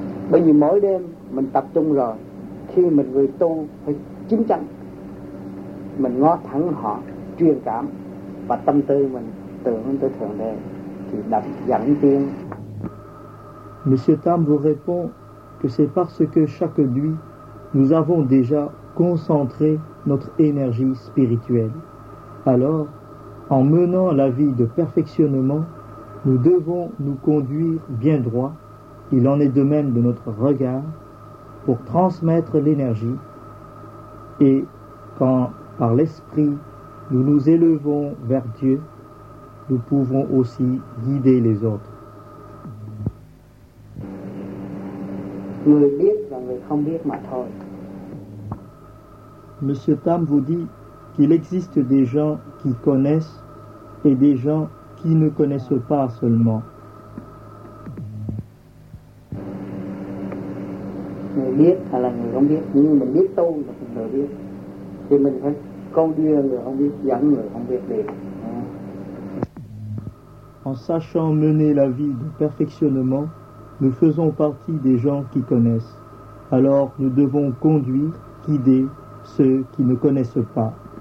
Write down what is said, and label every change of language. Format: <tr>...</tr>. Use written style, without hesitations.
<vi>Bởi vì mỗi đêm mình tập trung rồi, khi mình người tu phải chính chắn, mình ngó thẳng họ, truyền cảm và tâm tư mình tưởng tới Thượng Đế thì đặt dẫn tiên.</vi> <fr>Monsieur Tam vous répond que c'est parce que chaque nuit nous avons déjà concentré notre énergie spirituelle. Alors, en menant la vie de perfectionnement, nous devons nous conduire bien droit. Il en est de même de notre regard pour transmettre l'énergie. Et quand, par l'esprit, nous nous élevons vers Dieu, nous pouvons aussi guider les autres.</fr> <vi>Người biết và người không biết mà thôi.</vi> <fr>Monsieur Tam vous dit qu'il existe des gens qui connaissent et des gens qui ne connaissent pas seulement.</fr> <vi>Người biết hay là người không biết, nhưng mình biết tu là người biết. Thì mình phải câu đưa người không biết, dẫn người không biết đi.</vi> <fr>En sachant mener la vie de perfectionnement, nous faisons partie des gens qui connaissent. Alors nous devons conduire guider ceux qui ne connaissent pas.</fr>